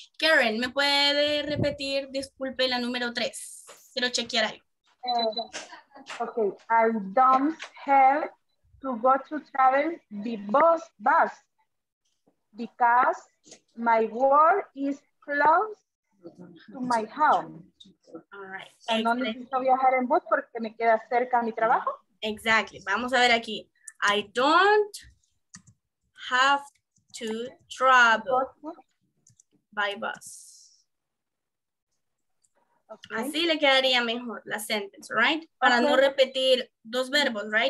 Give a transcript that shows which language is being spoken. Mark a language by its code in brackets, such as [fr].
[es] Karen, ¿me puede repetir, disculpe, la número tres? Quiero chequear ahí. [en] Okay, I don't have to go to travel the bus because my work is close to my home. All right. [es] No necesito viajar en bus porque me queda cerca a mi trabajo. [en] Exactly. [es] Vamos a ver aquí. [en] I don't have to travel by bus. [es] Okay. Así le quedaría mejor la sentence, right? Para okay. no repetir dos verbos, right?